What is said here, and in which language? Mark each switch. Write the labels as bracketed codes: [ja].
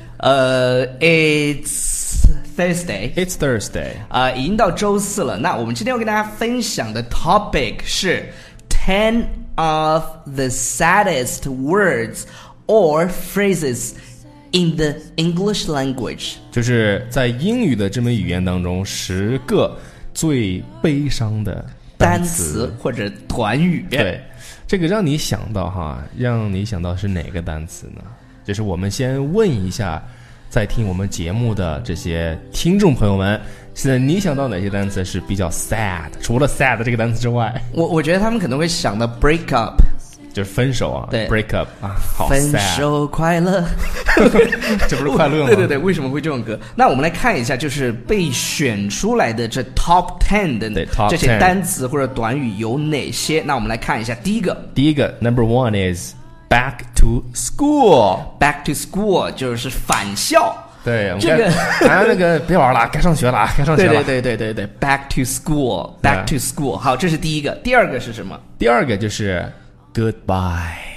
[en] It's Thursday. It's Thursday. [zh] 已经到周四了。那我们今天要跟大家分享的 [en] topic 是 10 of the saddest words or phrases in the English language. [zh] 就是在英语的这门语言当中，十个最悲伤的单词或者短语。对，这个让你想到哈，让你想到是哪个单词呢？就是我们先问一下在听我们节目的这些听众朋友们，现在你想到哪些单词是比较 sad， 除了 sad 这个单词之外。我觉得他们可能会想到 break up，就是分手啊。对， [en] break up [zh] 啊，好 [en] sad， [zh] 分手快乐。这不是快乐吗？对对对，为什么会这种歌？那我们来看一下，就是被选出来的这 top 10的这些单词或者短语有哪些。那我们来看一下，第一个 [en] number one is back to school。 [zh] back to school 就是返校。对，这个那个别玩了，该上学了，该上学了。对对对对对， [en] back to school， back to school。 [zh] 好，这是第一个。第二个是什么？第二个就是 goodbye。